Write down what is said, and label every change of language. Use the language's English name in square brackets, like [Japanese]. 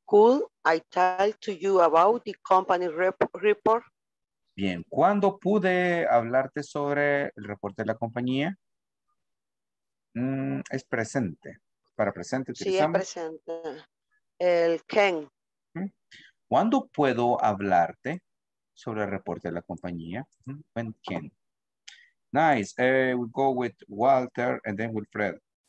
[English] could I talk to you about the company report? [Spanish] Bien, ¿cuándo pude hablarte sobre el reporte de la compañía? Es presente. Para presente utilizamos. Sí, es presente. El can. ¿Cuándo puedo hablarte sobre el reporte de la compañía? [English] When can. Nice. We'll go with Walter and then with Fred.